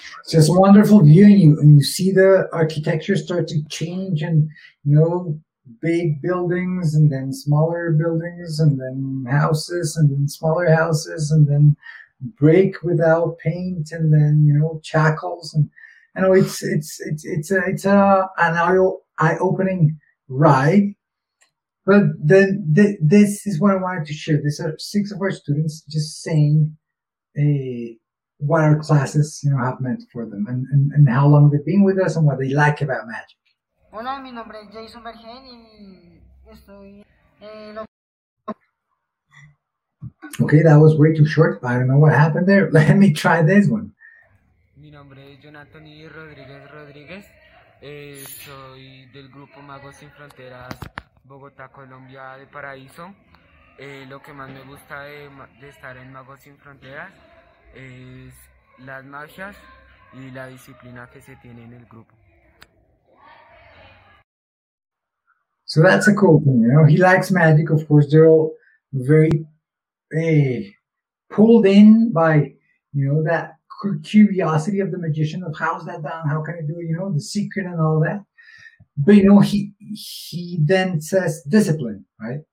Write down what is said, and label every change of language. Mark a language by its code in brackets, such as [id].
[en] Just a wonderful view, and you see the architecture start to change, and, you know, big buildings, and then smaller buildings, and then houses, and then smaller houses, and then brick without paint, and then, you know, shackles, and it's an eye opening ride. Well, then this is what I wanted to share. These are six of our students just saying what our classes, you know, have meant for them and how long they've been with us and what they like about magic. [es] Hola, mi nombre es Jason Bergen y estoy... [en] Okay, that was way too short. I don't know what happened there. Let me try this one. [es] Mi nombre es Jonathan y Rodriguez Rodriguez. Soy del grupo Magos Sin Fronteras, Bogotá, Colombia, de Paraíso. Lo que más me gusta de estar en Magos Sin Fronteras es las magias y la disciplina que se tiene en el grupo. [en] So that's a cool thing, you know. He likes magic, of course. They're all very pulled in by, you know, that curiosity of the magician of how's that done, how can I do it, you know, the secret and all that. But, you know, he then says discipline, right?